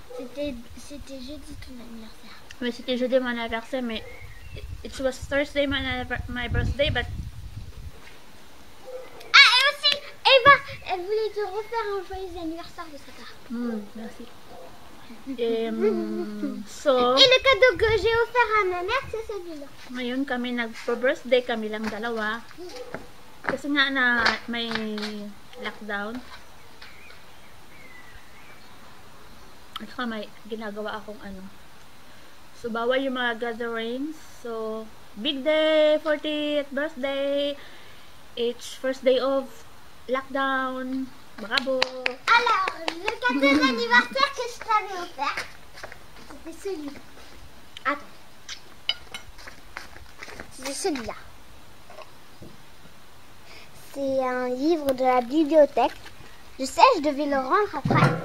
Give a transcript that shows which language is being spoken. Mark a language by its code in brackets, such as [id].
[fr] C'était jeudi ton anniversaire. Mais c'était jeudi mon anniversaire, mais... [en] It was Thursday my birthday, but... [fr] Ah, et aussi, Eva, elle voulait te refaire un joyeux anniversaire de sa part. Merci. So, et le cadeau que j'ai offert à ma mère, c'est celui-là. [tl] Ngayon kami nag-birthday kami lang dalawa. Kasi nga na may lockdown. At saka may ginagawa akong ano. So, bawa yung mga gatherings. [en] So, big day, 40th birthday. It's first day of lockdown. Bravo! [fr] Alors, le cadeau d'anniversaire que je t'avais offert, c'était celui-là. Attends. C'est celui-là. C'est un livre de la bibliothèque. Je sais, je devais le rendre après.